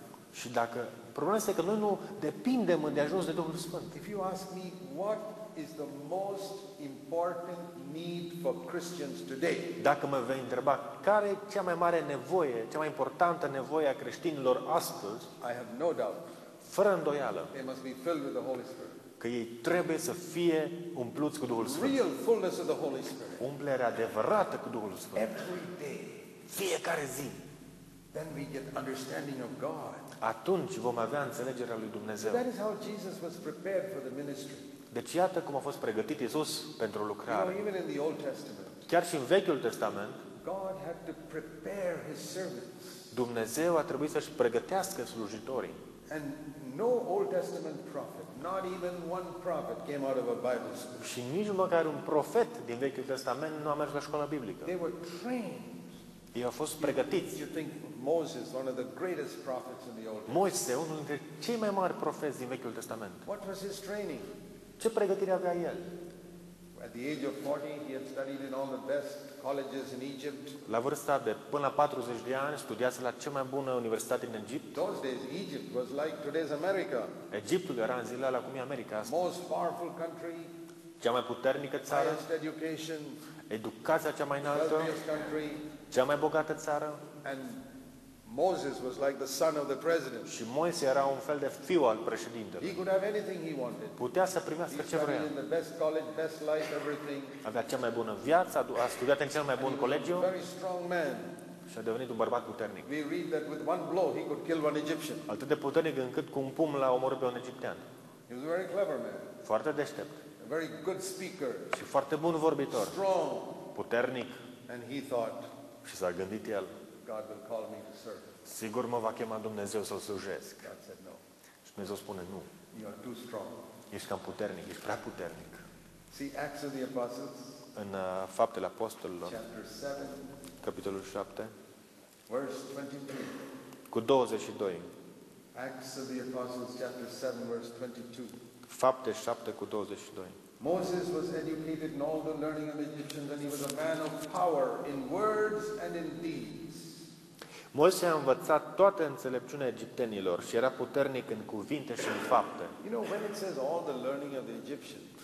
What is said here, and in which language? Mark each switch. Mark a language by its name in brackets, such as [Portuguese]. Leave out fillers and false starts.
[Romanian] Și dacă problema este că noi nu depindem de ajuns de Duhul Sfânt. [English] If you ask me what is the most important need for Christians today. [Romanian] Dacă mă vei întreba care e cea mai mare nevoie, cea mai importantă nevoie a creștinilor astăzi, [English] I have no doubt. [Romanian] Fără îndoială. [English] They must be filled with the Holy Spirit. [Romanian] Că ei trebuie să fie umpluți cu Duhul Sfânt. [English] Real fullness of the Holy Spirit. [Romanian] Umplere adevărată cu Duhul Sfânt. [English] Every day. [Romanian] Fiecare zi. [English] Then we get understanding of God. [Romanian] Atunci vom avea înțelegerea lui Dumnezeu. [English] That is how Jesus was prepared for the ministry. [Romanian] Deci iată cum a fost pregătit Iisus pentru lucrare. [English] You know, even in the Old Testament. [Romanian] Chiar și în Vechiul Testament. [English] God had to prepare his servants. [Romanian] Dumnezeu a trebuit să-și pregătească slujitorii. [English] And no Old Testament prophet, not even one prophet came out of a Bible school. [Romanian] Și nici măcar un profet din Vechiul Testament nu a mers la școala biblică. [English] They were trained. [Romanian] Ei au fost pregătiți. [English] You think Moses, one of the greatest prophets in the Old Testament. [Romanian] Moise, unul dintre cei mai mari profeți din Vechiul Testament. [English] What was his training? [Romanian] Ce pregătire avea el? [English] At the age of 40, he had studied in all the best colleges in Egypt. [Romanian] La vârsta de până la 40 de ani, studiase la cea mai bună universitate din Egipt. [English] Those days, Egypt was like today's America. [Romanian] Egiptul era în zilele alea cum e America astăzi. [English] Most powerful country. [Romanian] Cea mai puternică țară. [English] Highest education. [Romanian] Educația cea mai înaltă. Cea mai bogată țară. [English] And Moses was like the son of the president. [Romanian] Și Moise era un fel de fiu al președintelui. [English] He could have anything he wanted. [Romanian] Putea să primească ce vrea. [English] In the best college, best life, everything. [Romanian] Avea cea mai bună viață, a studiat în cel mai bun colegiu. [English] Very strong man. [Romanian] Și a devenit un bărbat puternic. [English] We read that with one blow he could kill one Egyptian. [Romanian] Atât de puternic încât cu un pumn l-a omorât pe un egiptean. [English] He was a very clever man. [Romanian] Foarte deștept. [English] very good speaker. [Romanian] Și foarte bun vorbitor. [English] Strong. [Romanian] Puternic. [English] And he thought. [Romanian] Și s-a gândit el. [English] God will call me to serve. [Romanian] Sigur mă va chema Dumnezeu să-l slujesc. [English] God said no. [Romanian] Și Dumnezeu spune nu. [English] You are too strong. [Romanian] Ești cam puternic, ești prea puternic. [English] See Acts of the Apostles. [Romanian] În Faptele Apostolilor. [English] Chapter 7. [Romanian] Capitolul 7. [English] Verse 22. [Romanian] Cu 22. [English] Acts of the Apostles, chapter 7, verse 22. [Romanian] Fapte 7 cu 22. [English] Moses was educated in all the learning of Egyptians, and he was a man of power in words and in deeds. [Romanian] Moise a învățat toată înțelepciunea egiptenilor și era puternic în cuvinte și în fapte. [English] You know, when it says all the learning of the Egyptians,